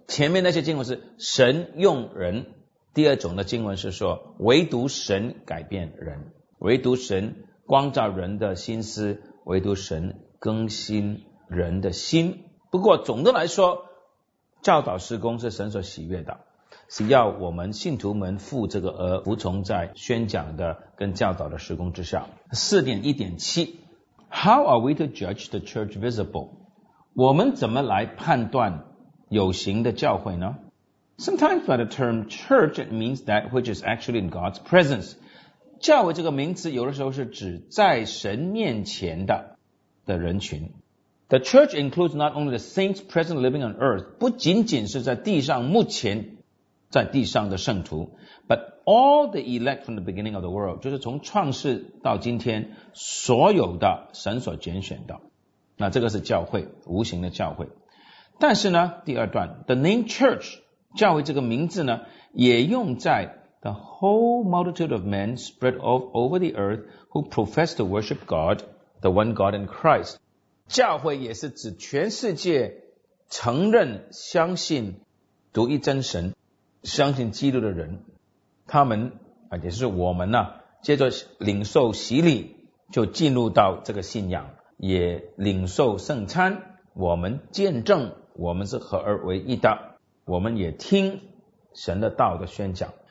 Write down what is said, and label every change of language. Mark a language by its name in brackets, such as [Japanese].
[Chinese] 前面那些经文是神用人，第二种的经文是说唯独神改变人，唯独神光照人的心思，唯独神更新人的心。不过总的来说，教导事工是神所喜悦的，是要我们信徒们负这个而服从在宣讲的跟教导的事工之下。 [English] 4.1.7 How are we to judge the church visible? [Chinese] 我们怎么来判断有形的教会呢？ [English] Sometimes by the term church it means that which is actually in God's presence. [Chinese] 教会这个名词有的时候是指在神面前的人群。 [English] The church includes not only the saints present living on earth, [Chinese] 不仅仅是在地上目前在地上的圣徒， [English] but all the elect from the beginning of the world, [Chinese] 就是从创世到今天所有的神所拣选的。那这个是教会，无形的教会。但是呢，第二段 [English] The name church [Chinese] 教会这个名字呢，也用在 [English] The whole multitude of men spread all over the earth who profess to worship God, the one God in Christ. [Chinese] 教会也是指全世界承认相信独一真神，相信基督的人，他们也是我们呢、接着领受洗礼，就进入到这个信仰，也领受圣餐，我们见证我们是合而为一的，我们也听神的道的宣讲。